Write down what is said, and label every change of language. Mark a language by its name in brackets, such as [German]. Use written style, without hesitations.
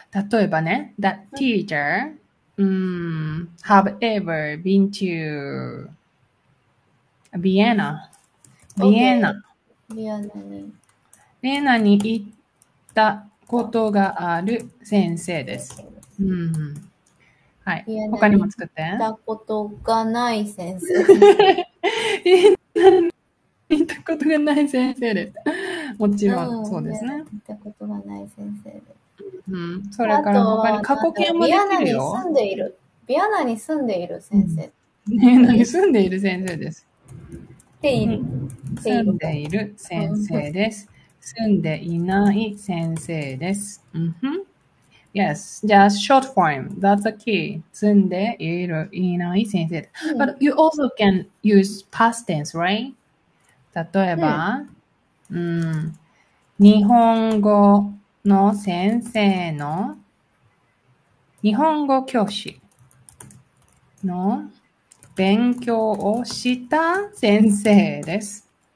[Japanese] 例えばね、 [English] that teacher、have ever been to Vienna. Vienna. [Japanese] Vienna に行ったことがある先生です。はい、他にも作って。行ったことがない先生。行ったことがない先生です。もちろん、そうですね。行ったことがない先生です。 うん。それから他に過去形もできるよ。ビアナに住んでいる。ビアナに住んでいる先生。ビアナに住んでいる先生です。ている。住んでいる先生です。住んでいない先生です。 [English] うん、ふん。Yes, just short form. That's the key. [Japanese] 住んでいる、いない先生。 [English] But you also can use past tense, right? [Japanese] 例えば、日本語の先生の、日本語教師の勉強をした先生です。